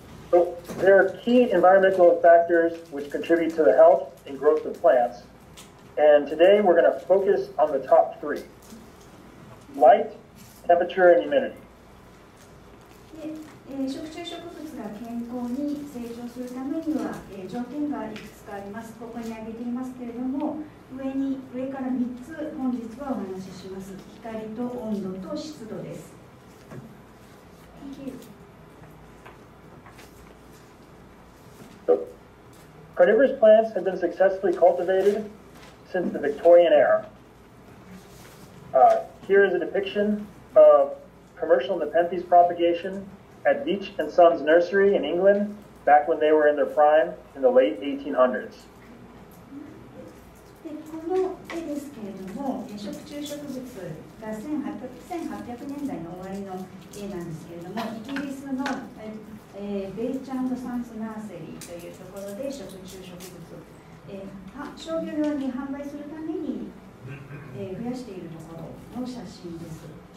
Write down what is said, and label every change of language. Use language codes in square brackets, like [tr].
[en] There are key environmental factors which contribute to the health and growth of plants, and today we're going to focus on the top three: light, temperature, and humidity. [ja] 食虫植物が健康に成長するためには、条件がいくつかあります。ここに挙げていますけれども、上から3つ本日はお話しします。光と温度と湿度です。 [en] Thank you. So, carnivorous plants have been successfully cultivated since the Victorian era. Here is a depiction of commercial Nepenthes propagation. At Beach and Sons Nursery in England, back when they were in their prime in the late 1800s. [ja] この絵ですけれども、食虫植物が1800年代の終わりの絵なんですけれども、イギリスのベイチ&サンズナーセリーというところで食虫植物、商業用に販売するために増やしているところの写真です。